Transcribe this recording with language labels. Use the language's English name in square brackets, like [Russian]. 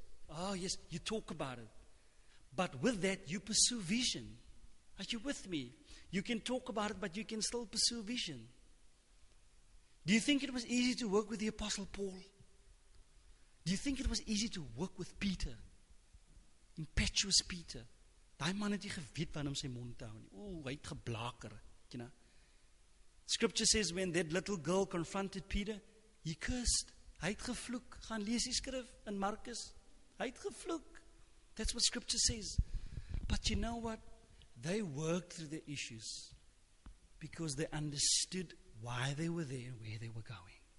[English] Oh yes, you talk about it. But with that, you pursue vision. Are you with me? You can talk about it, but you can still pursue vision. Do you think it was easy to work with the Apostle Paul? Do you think it was easy to work with Peter? Impetuous Peter. [Afrikaans] Daai man het nie geweet wanneer om sy mond te hou nie. Ooh, hy het geblaker, [English] you know. Scripture says when that little girl confronted Peter, he cursed. [Afrikaans] Hy het gevloek. Gaan lees die skrif in Markus. Hy het gevloek. [English] That's what scripture says. But you know what? They worked through the issues because they understood why they were there and where they were going.